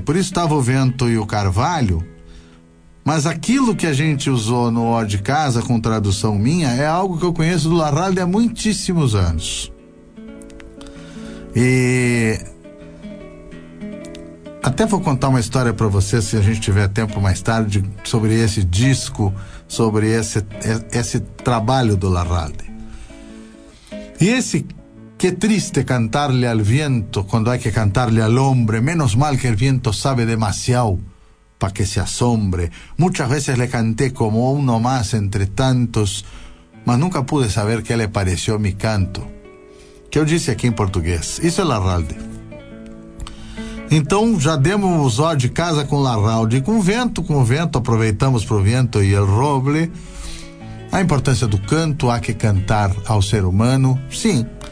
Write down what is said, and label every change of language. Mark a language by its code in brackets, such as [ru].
[pt] Por isso estava o vento e o carvalho. Mas aquilo que a gente usou no O de Casa, com tradução minha, é algo que eu conheço do Larralde há muitíssimos anos. E até vou contar uma história para vocês, se a gente tiver tempo mais tarde, sobre esse disco, sobre esse trabalho do Larralde. E esse [es] "Que triste cantarle al viento quando hay que cantarle al hombre, menos mal que el viento sabe demasiado pa' que se asombre. Muchas veces le canté como uno más entre tantos, mas nunca pude saber qué le pareció mi canto." [pt] Que eu disse aqui em português. Isso é Larralde. Então, já demos o de casa com Larralde. Com o vento, aproveitamos pro vento e el roble. A importância do canto, há que cantar ao ser humano, sim.